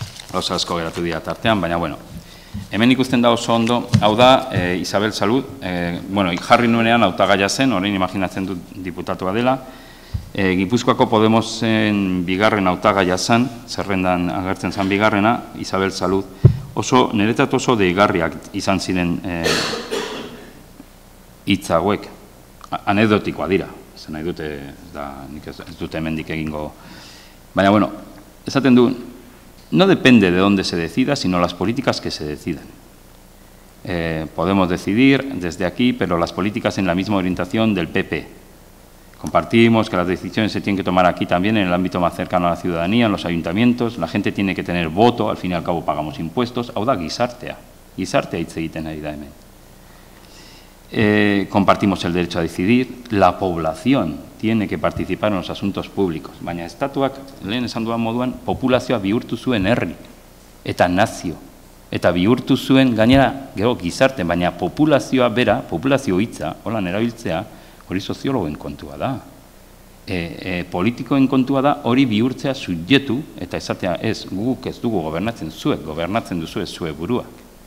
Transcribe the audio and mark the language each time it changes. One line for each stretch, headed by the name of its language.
Basque: Gauza asko geratu dira tartean, baina bueno, hemen ikusten da oso ondo, hau da, Isabel Salud, bueno, jarri nuenean hautagaia zen, orain imaginatzen dut diputatua dela, Gipuzkoako Podemosen bigarren hautagaia zen, zerrendan agertzen zen bigarrena, Isabel Salud, oso, niretzat oso deigarriak izan ziren hitza hauek, anekdotikoa dira, zen nahi dute, da, nik ez dute hemendik egingo, baina, bueno, esaten du,
Spanish: no depende de dónde se decida, sino las políticas que se decidan. Podemos decidir desde aquí, pero las políticas en la misma orientación del PP. Compartimos que las decisiones se tienen que tomar aquí también, en el ámbito más cercano a la ciudadanía, en los ayuntamientos. La gente tiene que tener voto, al fin y al cabo pagamos impuestos.
Basque: Hau da gizartea. Gizartea hitz egiten ari da hemen.
Spanish: Compartimos el derecho a decidir. La población tiene que participar en los asuntos públicos.
Basque: Baina estatuak, lehen esan duan moduan, populazioa bihurtu zuen herri eta nazio. Eta bihurtu zuen gainera gero gizarte, baina populazioa bera, populazio hitza, holan erabiltzea, hori soziologoen kontua da. Politikoen kontua da hori bihurtzea subjektu eta esatea ez, guk ez dugu gobernatzen, zuek gobernatzen duzue zue buruak.